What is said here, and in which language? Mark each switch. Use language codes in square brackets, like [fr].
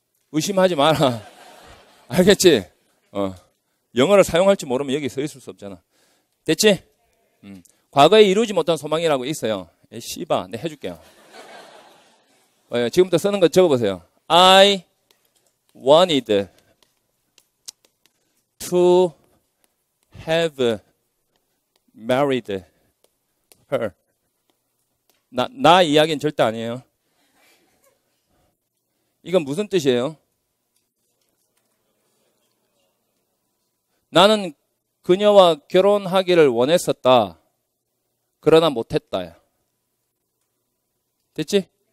[ko] 의심하지 마라. 알겠지? 영어를 사용할지 모르면 여기 서 있을 수 없잖아. 됐지? 과거에 이루지 못한 소망이라고 있어요. 씨바, 내 해줄게요. 지금부터 쓰는 거 적어보세요. [en] I wanted to have married her. [ko] 나 이야기는 절대 아니에요. 이건 무슨 뜻이에요? 나는 그녀와 결혼하기를 원했었다. 그러나 못했다. 됐지?